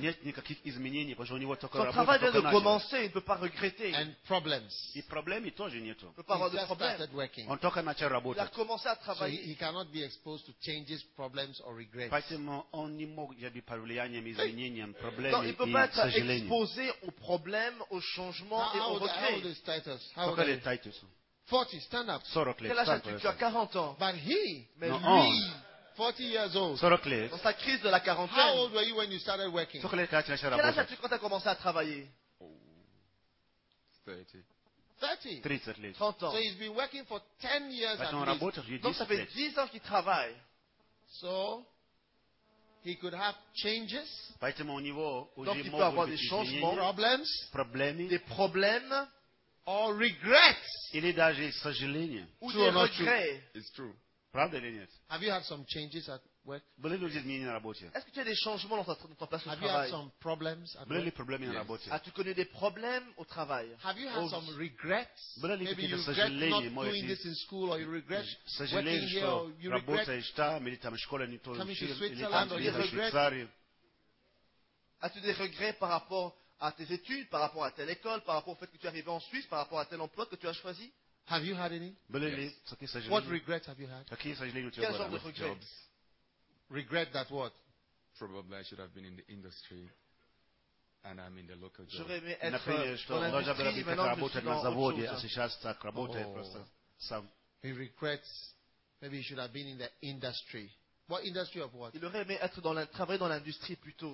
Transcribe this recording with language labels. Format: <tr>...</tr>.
<ru>Нет никаких изменений, потому что у него только работа.</ru> <fr>Son travail vient de commencer. Il ne peut pas regretter.</fr> <en>And problems.</en> <ru>И проблемы тоже нету.</ru> <fr>Il peut pas avoir de problèmes.</fr> <ru>Он только начал работать.</ru> <fr>Il a commencé à travailler.</fr> <en>So he cannot be exposed to changes, problems or regrets.</en> <ru>Поэтому он не может быть под влиянием изменений, проблем и сожаления.</ru> <fr>Non, il peut pas être exposé aux problèmes, aux changements et aux regrets.</fr> <en>How old is Titus? 40, stand up.</en> <fr>40, quel âge as-tu? Tu as 40 ans.</fr> <en>But he,</en> <fr>mais non, lui,</fr> <en>40 years old.</en> <fr>40, dans sa crise de la quarantaine.</fr> <en>How old were you when you started working?</en> <fr>40, quel âge as-tu quand tu as commencé à travailler?</fr> <en>Oh. 30.</en> <fr>30 ans.</fr> <en>So he's been working for 10 years.</en> <fr>Donc ça fait 10 ans qu'il travaille.</fr> <en>So he could have changes.</en> <ru>Поэтому у него уже</ru> <fr>donc, il peut avoir des changements,</fr> <en>problems,</en> <ru>проблемы,</ru> <fr>des problèmes.</fr> <en>Or regrets.</en> <ru>Или даже сожаления.</ru> <en>True or not true? It's true.</en> <ru>Правда или нет?</ru> <en>Have you had some changes at work?</en> <ru>Были ли изменения на работе?</ru> <fr>Est-ce que tu as des changements dans ta place de travail?</fr> <en>Have you had some problems at work?</en> <ru>Были ли проблемы на работе?</ru> <fr>As-tu connu des problèmes au travail?</fr> <en>Have you had some regrets?</en> <ru>Были ли какие-то сожаления?</ru> <en>Maybe you regret not doing this in school or you regret working here or you regret coming to Switzerland or you regret</en> <fr>As-tu des regrets par rapport à tes études, par rapport à telle école, par rapport au fait que tu es arrivé en Suisse, par rapport à tel emploi que tu as choisi?</fr> <en>Have you had any? Yes. What regrets have you had?</en> <fr>Quel genre de regrets?</fr> <en>Regret that what? Probably I should have been in the industry and I'm in the local job.</en> <fr>J'aurais aimé être dans l'industrie, maintenant je suis dans autre chose.</fr> <en>He regrets, maybe he should have been in the industry. What industry of what?</en> <fr>Il aurait aimé être dans la, travailler dans l'industrie plutôt.</fr>